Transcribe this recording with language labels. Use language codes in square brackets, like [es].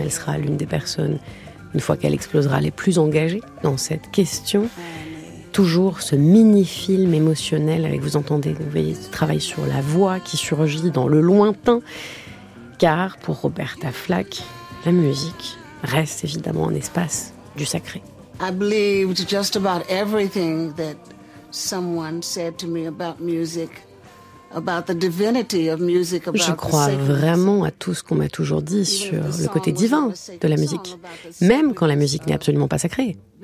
[fr] Elle sera l'une des personnes, une fois qu'elle explosera, les plus engagées dans cette question. Toujours ce mini-film émotionnel avec, vous entendez, vous voyez, ce travail sur la voix qui surgit dans le lointain. Car pour Roberta Flack, la musique reste évidemment un espace du sacré. [en] I believed just about everything that someone said to me about music. [fr] Je crois vraiment à tout ce qu'on m'a toujours dit sur le côté divin de la musique, même quand la musique n'est absolument pas sacrée.